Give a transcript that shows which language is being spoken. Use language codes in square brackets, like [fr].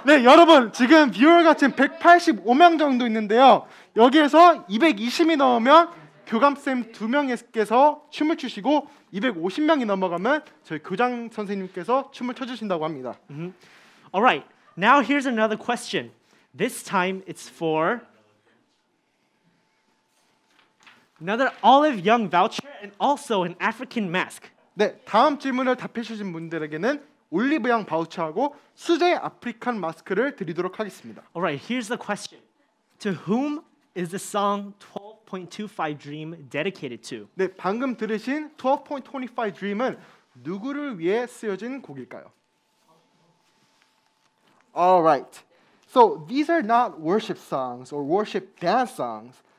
[ko] 네, 여러분, 지금 뷰어가 지금 185명 정도 있는데요. 여기에서 220이 넘으면 교감쌤 두 명께서 춤을 추시고 250명이 넘어가면 저희 교장 선생님께서 춤을 춰주신다고 합니다. [en] Mm-hmm. All right. Now here's another question. This time it's for another Olive Young voucher and also an African mask. [ko] 네, 다음 질문을 답해주신 분들에게는 올리브 양 바우처하고 수제 아프리칸 마스크를 드리도록 하겠습니다. [en] All right, here's the question. To whom is the song 12.25 Dream dedicated to? [ko] 네, 방금 들으신 12.25 Dream은 누구를 위해 쓰여진 곡일까요? [en] All right. So these are not worship songs or worship dance songs.